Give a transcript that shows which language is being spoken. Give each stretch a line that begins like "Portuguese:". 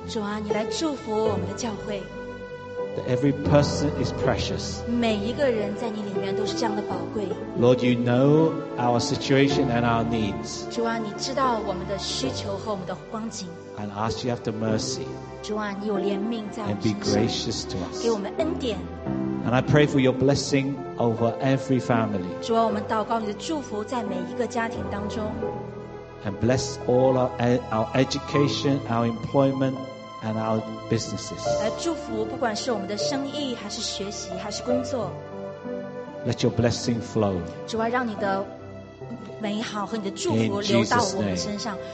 Chinese: 主啊，你来祝福我们的教会。
English: That every person is precious.
Chinese: 每一个人在你里面都是这样的宝贵。
English: Lord, you know our situation and our needs.
Chinese: 主啊，你知道我们的需求和我们的光景。
English: And ask you after mercy.
Chinese: 主啊，你有怜悯在我们身上。
English: And be gracious to us.
Chinese: 给我们恩典。
English: And I pray for your blessing over every family.
Chinese: 主啊，我们祷告你的祝福在每一个家庭当中。
English: And bless all our education, our employment, and our businesses.
Chinese: 来祝福，不管是我们的生意，还是学习，还是工作。
English: Let your blessing flow.
Chinese: 主啊，让你的美好和你的祝福流到我们身上。